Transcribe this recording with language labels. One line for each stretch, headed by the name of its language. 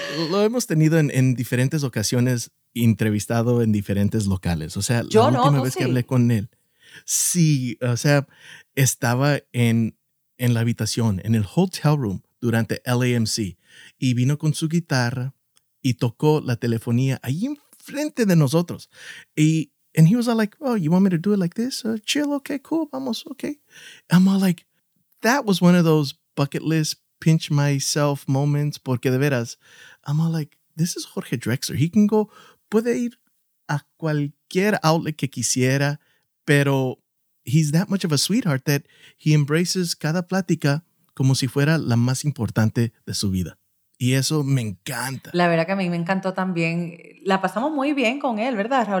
Spanish: Lo hemos tenido en diferentes ocasiones entrevistado en diferentes locales. O sea, yo la última vez sí. Que hablé con él. Sí, o sea, estaba en la habitación, en el hotel room durante LAMC y vino con su guitarra y tocó la telefonía ahí enfrente de nosotros.
English: And he was all like, oh, you want me to do it like this? Chill, okay, cool, vamos, okay. I'm all like, that was one of those bucket list pinch myself moments
Spanish: porque de veras,
English: I'm all like, this is Jorge Drexler. He can go,
Spanish: puede ir a cualquier outlet que quisiera. Pero
English: he's that much of a sweetheart that he embraces
Spanish: cada plática como si fuera la más importante de su vida. Y eso me encanta. La verdad que a mí me encantó también. La pasamos muy bien con él, ¿verdad, Raúl?